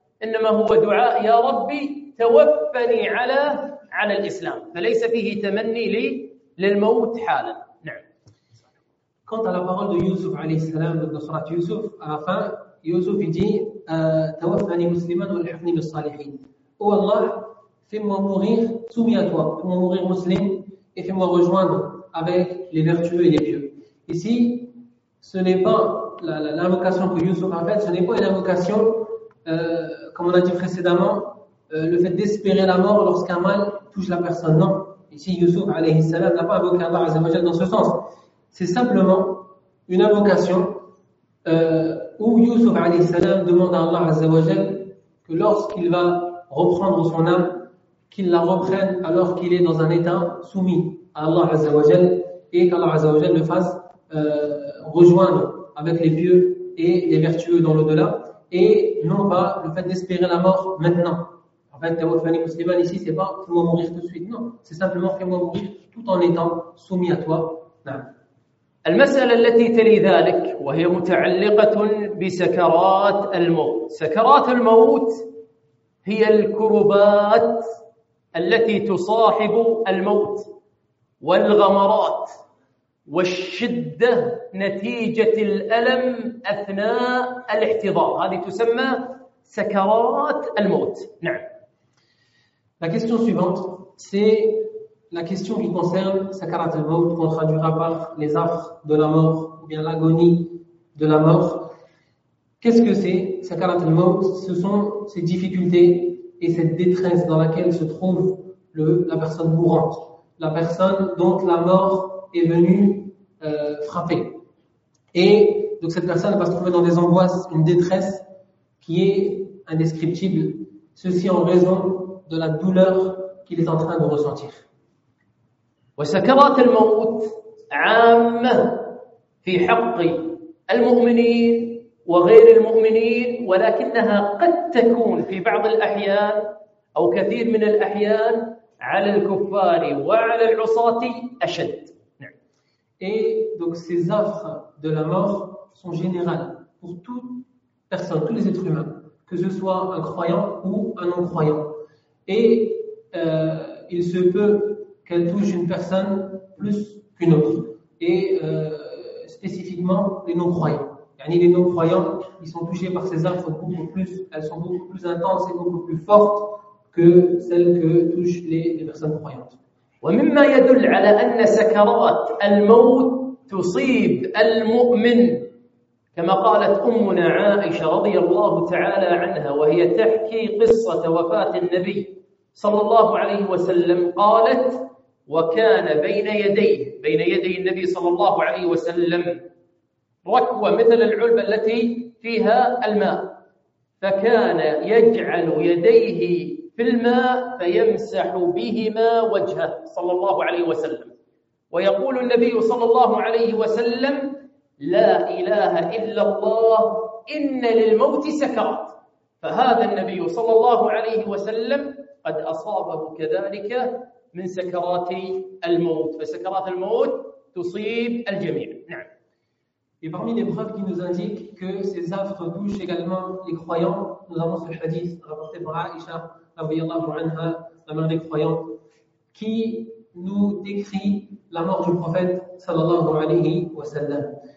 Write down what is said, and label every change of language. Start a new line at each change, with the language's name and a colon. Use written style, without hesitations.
Arabic: إنما هو دعاء يا ربي توفني على الإسلام، فليس فيه تمني لي للموت حالا. نعم. كنت على قول يوسف عليه السلام بنصرة يوسف على فان يوسف يجي توفني مسلما والحقني بالصالحين. هو الله فيما مغير سمية توا فيما مغير مسلم
French: et fais-moi rejoindre avec les vertueux et les pieux. Ici, ce n'est pas l'invocation que Youssouf a faite, ce n'est pas une invocation, comme on a dit précédemment, le fait d'espérer la mort lorsqu'un mal touche la personne. Non. Ici, Youssouf, alayhi salam, n'a pas invoqué Allah azza wa jalla dans ce sens. C'est simplement une invocation où Youssouf, alayhi salam, demande à Allah azza wa jalla que lorsqu'il va reprendre son âme, qu'il la reprenne alors qu'il est dans un état soumis à Allah Azza wa Jal et qu'Allah Azza wa Jal le fasse rejoindre avec les pieux et les vertueux dans l'au-delà et non pas le fait d'espérer la mort maintenant. En fait,
Arabic: Tawafani Musliman
French: ici, c'est pas fais-moi mourir tout de suite, non, c'est simplement fais-moi mourir tout en étant soumis à toi.
Arabic: المسألة التي تلي ذلك وهي متعلقة بسكرات الموت. سكرات الموت هي الكربات التي تصاحب الموت والغمرات والشدة نتيجة الألم أثناء الاحتضار، هذه تسمى سكرات الموت. نعم.
French: La question suivante, c'est la question qui concerne سكرات الموت, qu'on traduira par les affres de la mort ou bien l'agonie de la mort. Qu'est-ce que c'est سكرات الموت? Ce sont ces difficultés et cette détresse dans laquelle se trouve la personne mourante, la personne dont la mort est venue frapper. Et donc cette personne va se trouver dans des angoisses, une détresse qui est indescriptible, ceci en raison de la douleur qu'il est en train de ressentir.
Arabic: وسكرات الموت عامة في حق المؤمنين وغير المؤمنين ولكنها قد تكون في بعض الأحيان أو كثير من الأحيان على الكفار وعلى العصاة أشد.
French: Et donc ces affres de la mort sont générales pour toute personne, tous les êtres humains, que ce soit un croyant ou un non-croyant. Et il se peut qu'elle touche une personne plus qu'une autre. Et spécifiquement les non-croyants. Yani les non-croyants, ils sont touchés par ces affres beaucoup plus, elles sont beaucoup plus intenses et beaucoup plus fortes que celle que touchent les personnes croyantes.
Arabic: ومما يدل على أن سكرات الموت تصيب المؤمن كما قالت أمنا عائشة رضي الله تعالى عنها وهي تحكي قصة وفاة النبي صلى الله عليه وسلم قالت وكان بين يدي النبي صلى الله عليه وسلم ركوة مثل العلبة التي فيها الماء فكان يجعل يديه في الماء فيمسح بهما وجهه صلى الله عليه وسلم ويقول النبي صلى الله عليه وسلم لا إله إلا الله إن للموت سكرات فهذا النبي صلى الله عليه وسلم قد أصابه كذلك من سكرات الموت فسكرات الموت تصيب الجميع. نعم.
French: Et parmi les preuves qui nous indiquent que ces affres touchent également les croyants, nous avons ce hadith rapporté par Aïcha, la mère des croyants, qui nous décrit la mort du prophète sallallahu alayhi wa sallam.